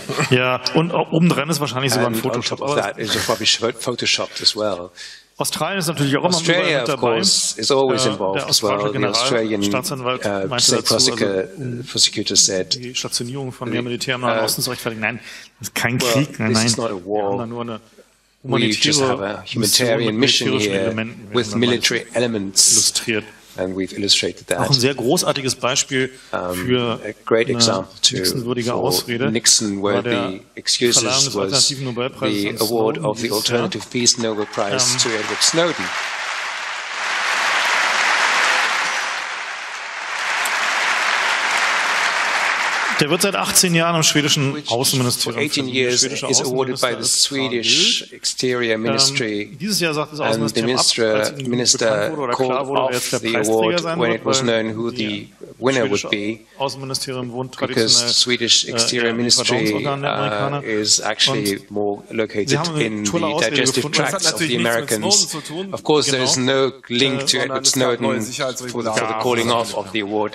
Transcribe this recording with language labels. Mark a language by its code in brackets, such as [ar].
[de] Ja, und obendrein ist wahrscheinlich sogar ein Photoshop. [en] And on top of that is probably photoshopped as well. [de] Australien ist natürlich auch immer mit dabei. [en] Australia, of course, is always involved as well. The Australian prosecutor said, [de] die Stationierung von mehr Militär im Nahen Osten zu rechtfertigen. Nein, das ist kein Krieg. [en] Well, [de] nein, [en] this is not a war. We just have a humanitarian mission here with military elements. [de] Illustriert. [en] And we've illustrated that. [de] Auch ein sehr großartiges Beispiel für eine Nixon-würdige Ausrede [en] Nixon, [de] war der Verleihung des Alternativen Nobelpreises [en] the award of the Alternative Peace Nobel Prize to Edward Snowden. [de] Der wird seit 18 Jahren im schwedischen Außenministerium für [en] Außenminister awarded by the Swedish Exterior Ministry. [de] Dieses Jahr sagt das Außenministerium ab, als ihm bekannt wurde oder klar wurde, wer jetzt der Preisträger sein wird, [en] it was known who the winner would be. [de] Außenministerium wohnt traditionell im Verdauungsorgan der Amerikaner. [en] Is actually more located in the digestive tract of the Americans. Of course, there is no link to Edward Snowden for the calling off of the award.